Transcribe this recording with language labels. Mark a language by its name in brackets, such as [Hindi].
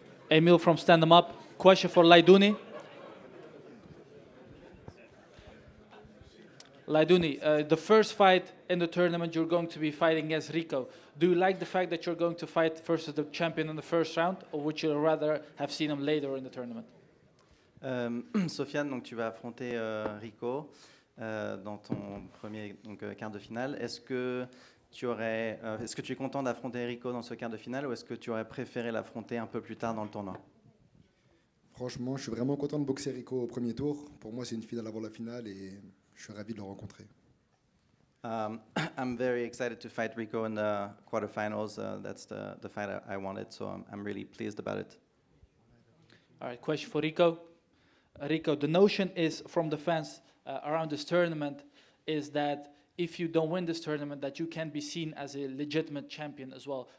[English] Emil from Stand 'Em Up. Question for Laidouni. Laidouni, the first fight in the tournament, you're going to be fighting against Rico. Do you like the fact that you're going to fight versus the champion in the first round, or would you rather have seen him later in the tournament? [French] Sofiane, donc tu vas affronter Rico dans ton premier donc quart de finale. Est-ce que tu es content d'affronter Rico dans ce quart de finale, ou est-ce que tu aurais préféré l'affronter un peu plus tard dans le tournoi? Franchement, je suis vraiment content de boxer Rico au premier tour. Pour moi, c'est une finale avant la finale et je suis ravi de le rencontrer. [English] I'm very excited to fight Rico in the quarterfinals. That's the fight I wanted, so I'm really pleased about it. All right, question for Rico. Rico, the notion is from the fans around this tournament is that if you don't win this tournament, that you can be seen as a legitimate champion as well.